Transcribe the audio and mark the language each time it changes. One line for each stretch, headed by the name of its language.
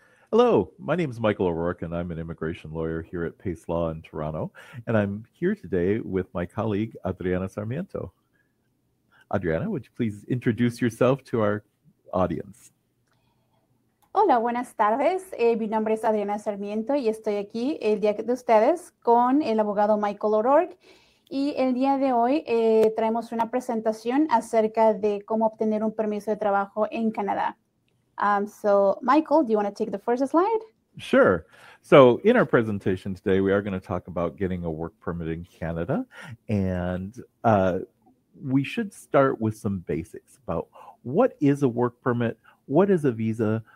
English: Hello, my name is Michael O'Rourke, and I'm an immigration lawyer here at Pace Law in Toronto, and I'm here today with my colleague, Adriana Sarmiento. Adriana, would you please introduce yourself to our audience?
Spanish: Hola, buenas tardes. Mi nombre es Adriana Sarmiento y estoy aquí el día de ustedes con el abogado Michael O'Rourke. Y el día de hoy traemos una presentación acerca de cómo obtener un permiso de trabajo en Canadá.
English: So, Michael, do you want to take the first slide? Sure. So in our presentation today, we are going to talk about getting a work permit in Canada. And we should start with some basics about what is a work permit? What is a visa?